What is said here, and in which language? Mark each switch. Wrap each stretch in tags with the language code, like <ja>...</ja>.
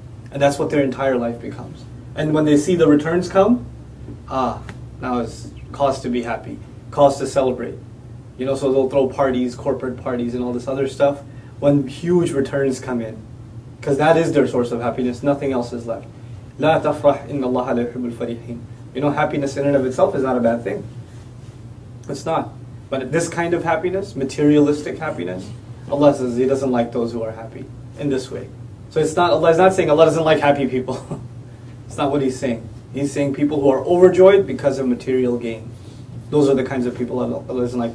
<en>And that's what their entire life becomes. And when they see the returns come, now it's cause to be happy, cause to celebrate. You know, so they'll throw parties, corporate parties and all this other stuff when huge returns come in. Because that is their source of happiness, nothing else is left.</en> <ar>لا تفرح إن الله لا يحب الفريحين.</ar> <en>You know, happiness in and of itself is not a bad thing. It's not. But this kind of happiness, materialistic happiness, Allah says He doesn't like those who are happy in this way. So it's not, Allah is not saying Allah doesn't like happy people. It's not what He's saying. He's saying people who are overjoyed because of material gain. Those are the kinds of people Allah doesn't like.</en>